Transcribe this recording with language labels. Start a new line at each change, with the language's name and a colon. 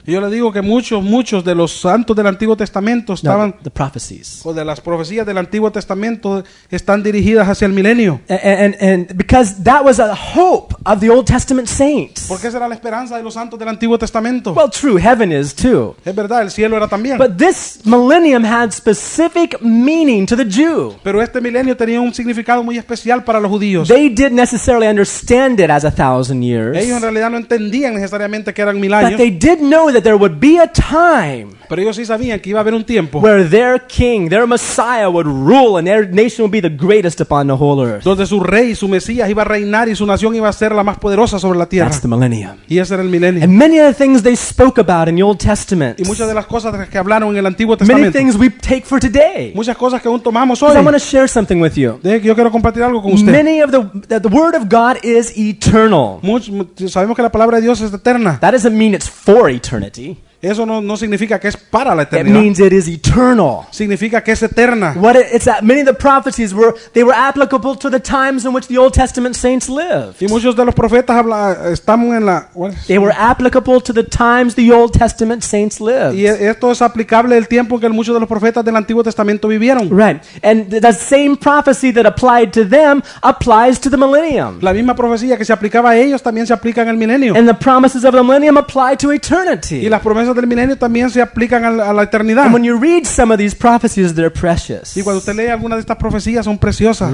Spanish: Y yo le digo que muchos de los santos del Antiguo Testamento estaban.
English: No, the prophecies.
Spanish: O de las profecías del Antiguo Testamento están dirigidas hacia el milenio.
English: And because that was a hope of the Old Testament saints.
Spanish: Porque esa era la esperanza de los santos del Antiguo Testamento.
English: Well, true, heaven is too.
Spanish: Es verdad, el cielo era también.
English: But this millennium had specific meaning to the Jew.
Spanish: Pero este milenio tenía un significado muy especial para los judíos.
English: They didn't necessarily understand it as 1,000 years.
Spanish: Ellos en realidad no entendían necesariamente que eran mil años.
English: But they did know that there would be a time.
Spanish: Pero ellos sí sabían que iba a haber un tiempo.
English: Where their king, their Messiah would rule and their nation would be the greatest upon the whole earth.
Spanish: Donde su rey, su Mesías iba a reinar y su nación iba a ser la más poderosa sobre la tierra.
English: That's the millennium.
Spanish: Y ese era el milenio.
English: And many of the things they spoke about in the Old Testament.
Spanish: Y muchas de las cosas que hablaron en el Antiguo Testamento.
English: Many things we take for today.
Spanish: Muchas cosas que aún tomamos hoy.
English: I want to share something with you.
Spanish: Yo quiero compartir algo con usted.
English: Many of the word of God is eternal.
Spanish: Sabemos que la palabra de Dios es eterna.
English: That doesn't mean it's for eternity.
Spanish: Eso no significa que es para la eternidad.
English: It means it is eternal.
Spanish: Significa que es eterna.
English: What it's that many of the prophecies were applicable to the times in which the Old Testament saints lived.
Spanish: Y muchos de los profetas estamos en la.
English: They were applicable to the times the Old Testament saints lived.
Spanish: Y esto es aplicable el tiempo que muchos de los profetas del Antiguo Testamento vivieron.
English: Right, and the same prophecy that applied to them applies to the millennium.
Spanish: La misma profecía que se aplicaba a ellos también se aplica en el milenio.
English: And the promises of the millennium apply to eternity.
Spanish: Y las promesas del milenio también se aplican a la eternidad.
English: And when you read some of these prophecies, they're precious.
Spanish: Y cuando usted lee algunas de estas profecías, son preciosas.